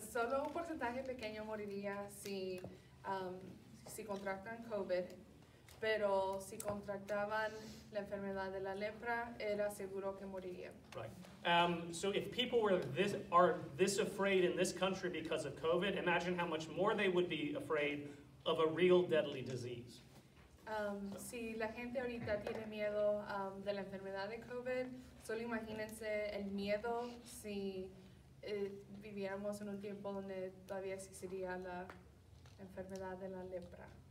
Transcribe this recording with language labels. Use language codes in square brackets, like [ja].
[es] Solo un porcentaje pequeño moriría si contractan COVID, pero si contractaban la enfermedad de la lepra, era seguro que moriría. [en] Right. So if people were this afraid in this country because of COVID, imagine how much more they would be afraid of a real deadly disease. [es] Si la gente ahorita tiene miedo de la enfermedad de COVID, solo imagínense el miedo si viviéramos en un tiempo donde todavía existiría la enfermedad de la lepra.